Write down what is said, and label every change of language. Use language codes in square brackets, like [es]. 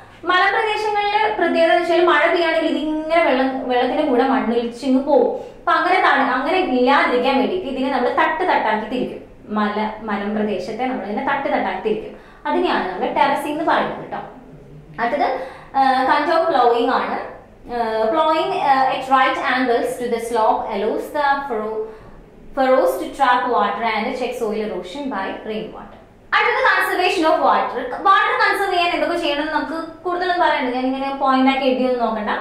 [ml] മലപ്രദേശങ്ങളിലെ പ്രത്യേകത എന്ന് വെച്ചാൽ മഴ പെയ്യാണെങ്കിൽ ഇതിങ്ങനെ വെള്ളത്തിന്റെ കൂടെ മണ്ണിലിച്ചിങ്ങ് പോകും. അപ്പൊ അങ്ങനെ അങ്ങനെ ഇല്ലാതിരിക്കാൻ വേണ്ടിയിട്ട് ഇതിനെ നമ്മൾ തട്ട് തട്ടാക്കി തിരിക്കും. മലമ്പ്രദേശത്തെ നമ്മൾ ഇതിനെ തട്ട് തട്ടാക്കി തിരിക്കും. അതിനെയാണ് നമ്മൾ ടെറസിംഗ് എന്ന് പറയുന്നത് കേട്ടോ. അടുത്തത് കൺട്രോൾ പ്ലോയിങ് ആണ്. [en] Plowing at right angles to the slope allows the furrows to trap water and check soil erosion by rainwater. അടുത്തത് conservation of water. [ml] Water conserve ചെയ്യാൻ എന്തൊക്കെ ചെയ്യണമെന്ന് നമുക്ക് കൂടുതലും പറയുന്നത് ഞാൻ ഇങ്ങനെ പോയിന്റ് ആക്കി എഴുതിയൊന്നും നോക്കണ്ട.